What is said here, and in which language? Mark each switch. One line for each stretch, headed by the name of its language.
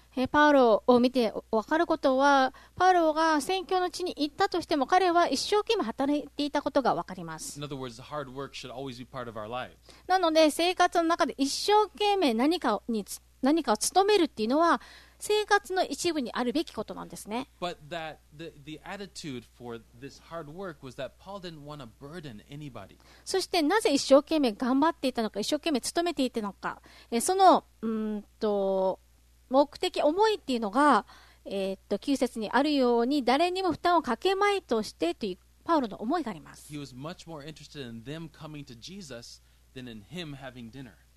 Japanese: パウロを見て分かることは、パウロが宣教の地に行ったとしても彼は一生懸命働いていたことが分かります。
English: In other words, hard work should always be part of our lives.
Japanese: なので生活の中で一生懸命何かを務めるっていうのは生活の一部にあるべきことなんですね。
English: But that the attitude for this hard work was that Paul didn't want to burden anybody.
Japanese: そしてなぜ一生懸命頑張っていたのか、一生懸命勤めていたのか、その目的思いっていうのが、9節にあるように誰にも負担をかけまいとしてというパウロの思いがあります。
English: He was much more interested in them coming to Jesus than in him having dinner.